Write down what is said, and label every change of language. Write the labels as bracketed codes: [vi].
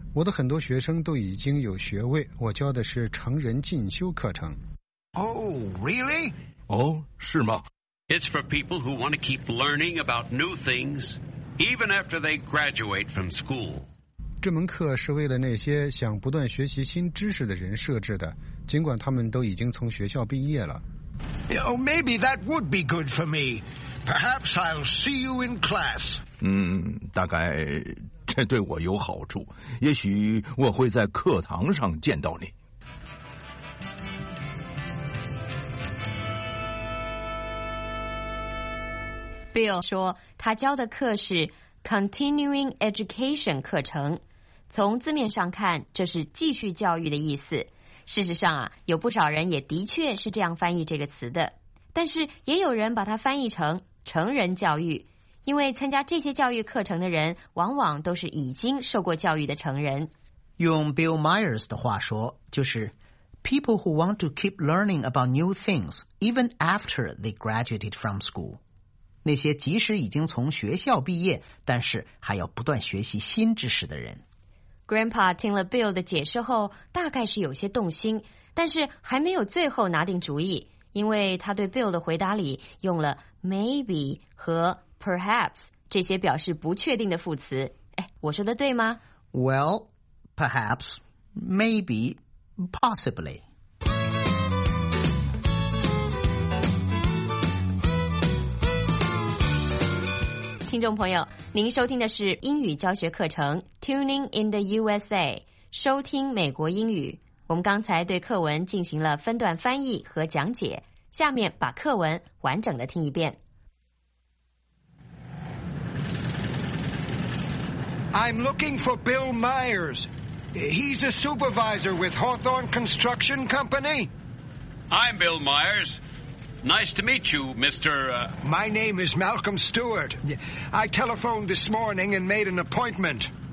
[zh] 我的很多学生都已经有学位，我教的是成人进修课程。 [en] Oh, really? [zh] 哦，是吗？ [en] It's for people who want to keep learning about new things even after they graduate from school. [zh] 这门课是为了那些想不断学习新知识的人设置的，尽管他们都已经从学校毕业了。 [en] Oh, maybe that would be good for me. Perhaps I'll see you in class. [zh] 大概这对我有好处，也许我会在课堂上见到你。 Bill 说他教的课是 Continuing Education 课程，从字面上看这是继续教育的意思。事实上啊，有不少人也的确是这样翻译这个词的，但是也有人把它翻译成成人教育，因为参加这些教育课程的人往往都是已经受过教育的成人。用 Bill Myers 的话说，就是 People who want to keep learning about new things even after they graduated from school，那些即使已经从学校毕业，但是还要不断学习新知识的人。 Grandpa 听了 Bill 的解释后，大概是有些动心，但是还没有最后拿定主意，因为他对 Bill 的回答里用了 maybe 和 perhaps 这些表示不确定的副词。哎，我说的对吗？ [en] Well, perhaps, maybe, possibly. [zh] 听众朋友，您收听的是英语教学课程 Tuning in the USA， 收听美国英语。我们刚才对课文进行了分段翻译和讲解，下面把课文完整的听一遍。 [en] I'm looking for Bill Myers. He's a supervisor with Hawthorne Construction Company. I'm Bill Myers. Nice to meet you, Mr. My name is Malcolm Stewart. I telephoned this morning and made an appointment.